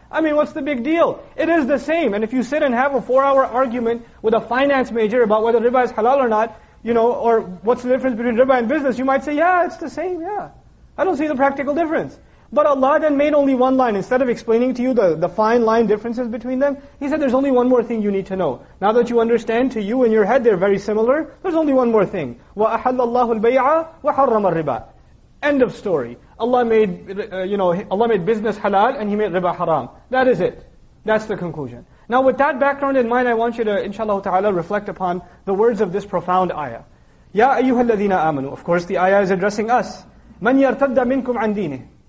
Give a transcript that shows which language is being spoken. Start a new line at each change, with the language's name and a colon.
English: I mean, what's the big deal? It is the same. And if you sit and have a 4-hour argument with a finance major about whether riba is halal or not, you know, or what's the difference between riba and business, you might say, yeah, it's the same, yeah. I don't see the practical difference. But Allah then made only one line. Instead of explaining to you the fine line differences between them, He said, there's only one more thing you need to know. Now that you understand, to you in your head, they're very similar, there's only one more thing.
Arabic: وَأَحَلَّ اللَّهُ الْبَيْعَ وَحَرَّمَ الرِّبَى End of story.
English: Allah made business halal and He made riba haram. That is it. That's the conclusion. Now with that background in mind, I want you to, inshallah ta'ala, reflect upon the words of this profound ayah.
Arabic: Ya ayyuha alladhina amanu.
English: Of course, the ayah is addressing us. Man yartadda minkum an deenih.